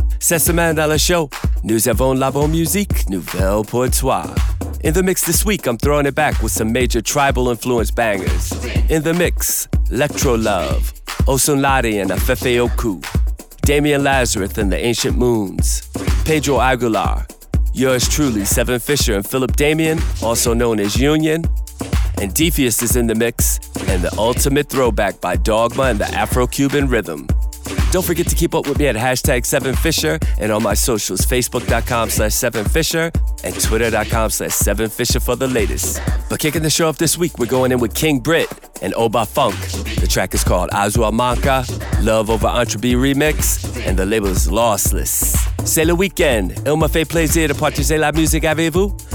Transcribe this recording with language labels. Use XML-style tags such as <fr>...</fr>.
<fr>Cette semaine dans le show, nous avons la bonne musique nouvelle pour toi.</fr> <en>In the mix this week, I'm throwing it back with some major tribal influence bangers. In the mix, Electro Love, Osun Ladi and Afefe Oku, Damian Lazarus and the Ancient Moons, Pedro Aguilar, yours truly, Seven Fisher and Philip Damian, also known as Union, and Defius is in the mix, and the ultimate throwback by Dogma and the Afro-Cuban Rhythm. Don't forget to keep up with me at #7Fisher and on my socials, facebook.com/7Fisher and twitter.com/7Fisher for the latest. But kicking the show off this week, we're going in with King Britt and Oba Funk. The track is called Azua Manka, Love Over Entrebi Remix, and the label is Lossless.</en> <fr>C'est le week-end. Il me fait plaisir de partager la musique avec vous.</fr>